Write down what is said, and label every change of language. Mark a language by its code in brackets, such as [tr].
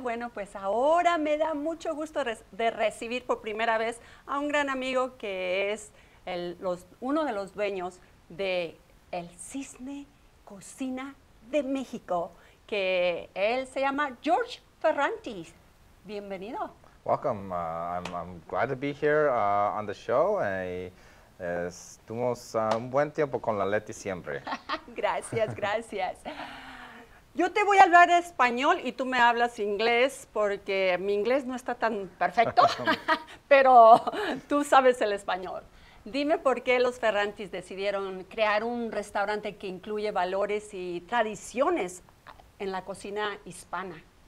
[es] Bueno, pues ahora me da mucho gusto de recibir por primera vez a un gran amigo que es uno de los dueños de El Cisne Cocina de México, que él se llama George Ferrantes. Bienvenido. [en] Welcome. I'm glad to be here on the show. [es] Estuvimos un buen tiempo con la Leti siempre. Gracias, gracias. Yo te voy a hablar español y tú me hablas inglés porque mi inglés no está tan perfecto, pero tú sabes el español. Dime por qué los Ferrantis decidieron crear un restaurante que incluye valores y tradiciones en la cocina hispana.